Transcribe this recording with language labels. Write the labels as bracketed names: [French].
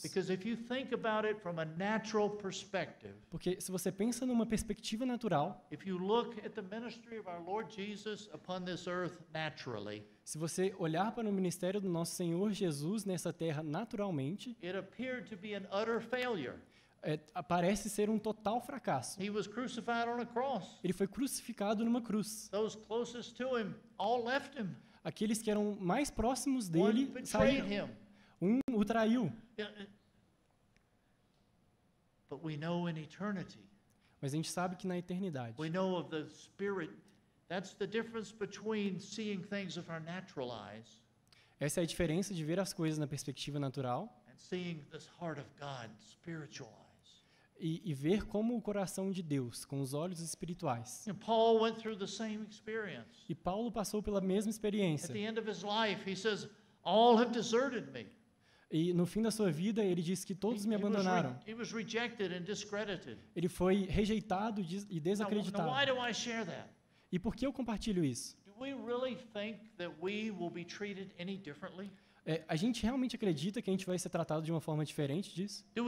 [English] Because if you think about it from a natural perspective, [Portuguese] porque se você pensa numa perspectiva natural, [English] if you look at the ministry of our Lord Jesus upon this earth naturally, [Portuguese] se você olhar para o ministério do nosso Senhor Jesus nessa terra naturalmente, [English] it appeared to be an utter failure. [Portuguese] Parece ser um total fracasso. [English] He was crucified on a cross. [Portuguese] Ele foi crucificado numa cruz. [English] Those closest to him all left him. [Portuguese] Aqueles que eram mais próximos dele saíram. Um o traiu. [English] But we know in eternity. [Portuguese] Mas a gente sabe que na eternidade. [English] We know of the spirit. That's the difference between seeing things with our natural eyes. [Portuguese] Essa é a diferença de ver as coisas na perspectiva natural. [English] And seeing this heart of God spiritual. [Portuguese] E ver como o coração de Deus, com os olhos espirituais. [English] And Paul went through the same experience. [Portuguese] E Paulo passou pela mesma experiência. [English] At the end of his life, he says, all have deserted me. [Portuguese] E no fim da sua vida, ele diz que todos me abandonaram. [English] He was rejected and discredited. [Portuguese] Ele foi rejeitado e desacreditado. [English] Now, why do I share that? [Portuguese] E por que eu compartilho isso? [English] Do we really think that we will be treated any differently? [Portuguese] A gente realmente acredita que a gente vai ser tratado de uma forma diferente disso?